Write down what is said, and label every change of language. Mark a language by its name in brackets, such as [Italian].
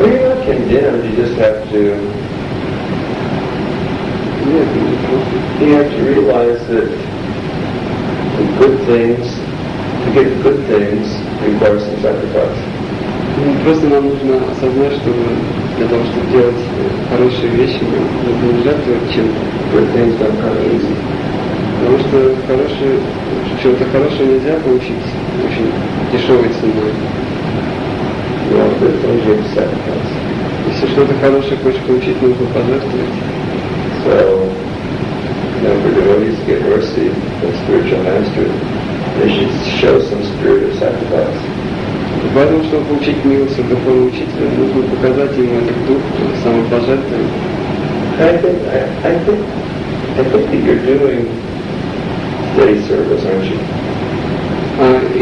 [English] Well, you're not condemned, you just have to... You have to realize that the good things, to get good things, require some sacrifice. [Russian] Просто нам нужно осознать, что для того, чтобы делать хорошие вещи, нужно жертвовать чем-то. [English] Good things don't come easy. [Russian] Потому что чего-то хорошее нельзя получить очень дешевой ценой. [English] Yeah, good things you have to sacrifice. [Russian] Если что-то хорошее хочешь получить, нужно пожертвовать. [English] So, for devotees to get mercy from spiritual master, they should show some spirit of sacrifice. [Russian] Важно, чтобы получить милость от духовного учителя, нужно показать ему этот дух, самопожертвование. [English] I think that you're doing steady service, aren't you?